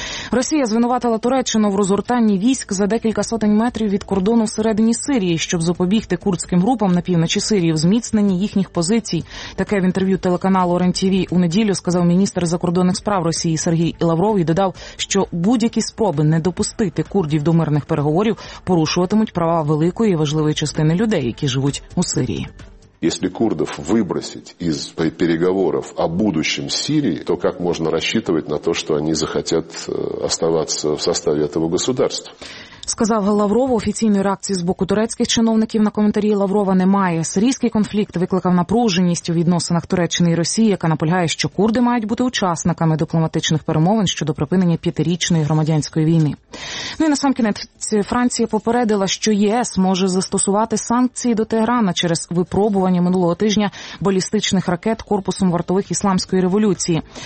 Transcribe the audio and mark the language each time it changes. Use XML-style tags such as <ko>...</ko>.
<uk>Росія звинуватила Туреччину в розгортанні військ за декілька сотень метрів від кордону всередині Сирії, щоб запобігти курдським групам на півночі Сирії зміцненні їхніх позицій. Таке в інтерв'ю телеканалу РЕН-ТВ у неділю сказав міністр закордонних справ Росії Сергій Лавров і додав, що будь-які спроби не допустити курдів до мирних переговорів порушуватимуть права великої і важливої частини людей, які живуть у Сирії.</uk> <ru>Если курдов выбросить из переговоров о будущем Сирии, то как можно рассчитывать на то, что они захотят оставаться в составе этого государства?</ru> <uk>Сказав Лавров, офіційної реакції з боку турецьких чиновників на коментарі Лаврова немає. Сирійський конфлікт викликав напруженість у відносинах Туреччини і Росії, яка наполягає, що курди мають бути учасниками дипломатичних перемовин щодо припинення п'ятирічної громадянської війни. Ну і насамкінець Франція попередила, що ЄС може застосувати санкції до Тегерана через випробування минулого тижня балістичних ракет корпусом вартових Ісламської революції.</uk>